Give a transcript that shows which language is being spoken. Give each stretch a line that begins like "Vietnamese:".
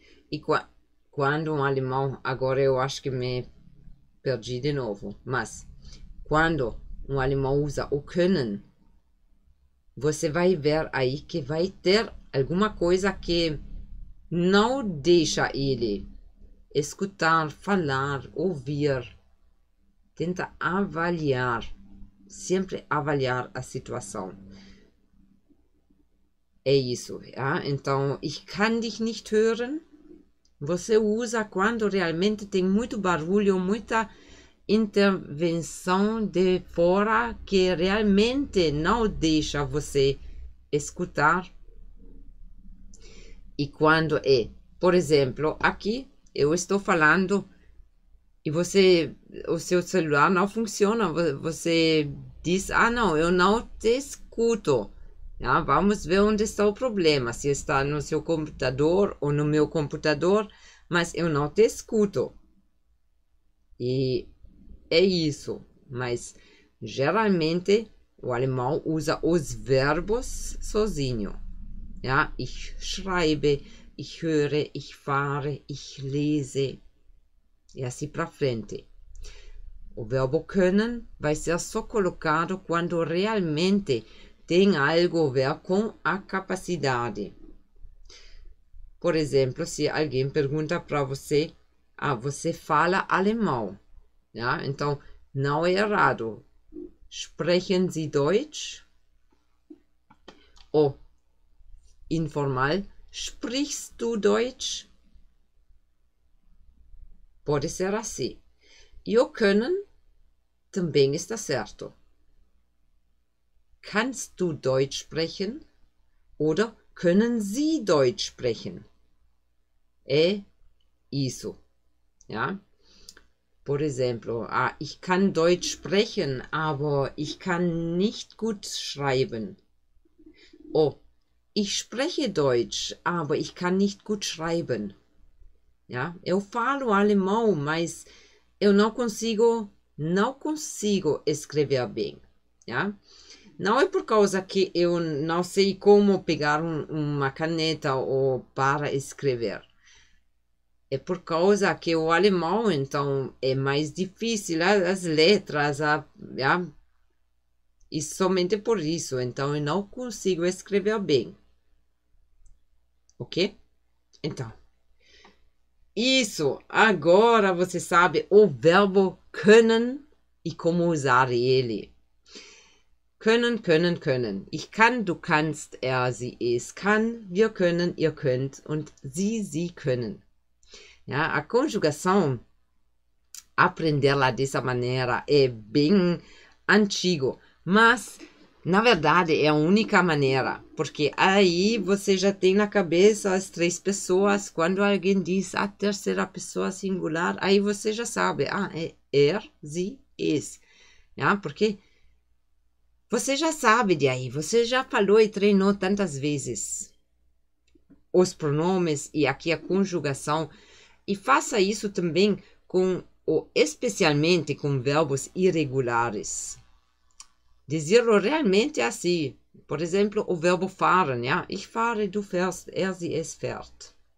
Portuguese: E quando um alemão, agora eu acho que me perdi de novo, mas quando um alemão usa o können, você vai ver aí que vai ter alguma coisa que não deixa ele escutar, falar, ouvir. Tenta avaliar, sempre avaliar a situação. É isso, ja? Então,
German: ich kann dich nicht hören.
Portuguese: Você usa quando realmente tem muito barulho, muita intervenção de fora que realmente não deixa você escutar. E quando é, por exemplo, aqui eu estou falando e você, o seu celular não funciona, você diz: "Ah, não, eu não te escuto." Ah, vamos ver onde está o problema. Se está no seu computador ou no meu computador, mas eu não te escuto. E é isso. Mas geralmente o alemão usa os verbos sozinho.
German: Ja, ich schreibe, ich höre, ich fahre, ich lese.
Portuguese: E assim para frente. O verbo können vai ser só colocado quando realmente tem algo a ver com a capacidade. Por exemplo, se alguém pergunta para você: "Ah, você fala alemão?" Ja? Então, não é errado.
German: Sprechen Sie Deutsch?
Portuguese: Ou, informal,
German: sprichst du Deutsch?
Portuguese: Pode ser assim. E o können também está certo.
German: Kannst du Deutsch sprechen? Oder können Sie Deutsch sprechen?
Portuguese: É isso.
German: Ja?
Portuguese: Por exemplo:
German: "Ah, ich kann Deutsch sprechen, aber ich kann nicht gut schreiben." Oh, ich spreche Deutsch, aber ich kann nicht gut schreiben. Ja?
Portuguese: Eu falo alemão, mas eu não consigo escrever bem. Ja? Não é por causa que eu não sei como pegar uma caneta ou para escrever. É por causa que o alemão, então, é mais difícil, as letras, já? E somente por isso, então, eu não consigo escrever bem. Ok? Então, isso. Agora você sabe o verbo können e como usar ele.
German: Können, können, können. Ich kann, du kannst, er, sie, es kann, wir können, ihr könnt und sie können. Ja,
Portuguese: a conjugação aprenderla dessa maneira é bem antigo, mas na verdade é a única maneira, porque aí você já tem na cabeça as três pessoas. Quando alguém diz a terceira pessoa singular, aí você já sabe, ah, é er, sie, es, já, porque você já sabe de aí, você já falou e treinou tantas vezes os pronomes e aqui a conjugação, e faça isso também com ou especialmente com verbos irregulares. Dizê-lo realmente assim. Por exemplo, o verbo fahren, ja?
German: Ich fahre, du fährst, er, sie, es fährt.